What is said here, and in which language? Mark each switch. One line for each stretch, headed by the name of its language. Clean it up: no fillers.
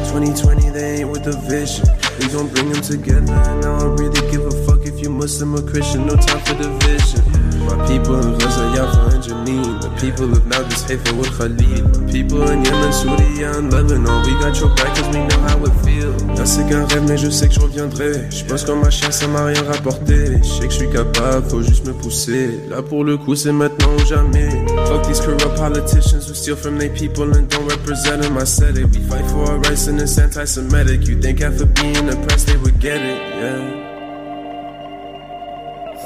English: 2020, they ain't with the vision. We gon' bring them together. And now I don't really give a fuck if you Muslim or Christian. No time for division. My people in Gaza, Yafa, and Janine. The people of Nablus, Haifa, with Khalid. My people in Yemen, Syria, and Lebanon. We got your back cause we know how it feels.
French: Là c'est qu'un rêve mais je sais que je reviendrai. Je pense qu'en ma chair ça m'a rien rapporté. Je sais que je suis capable, faut juste me pousser. Là pour le coup c'est maintenant ou jamais.
English: Fuck these corrupt politicians who steal from their people and don't represent them. I said it, we fight for our rights and it's anti-Semitic. You think after being oppressed they would get it, yeah.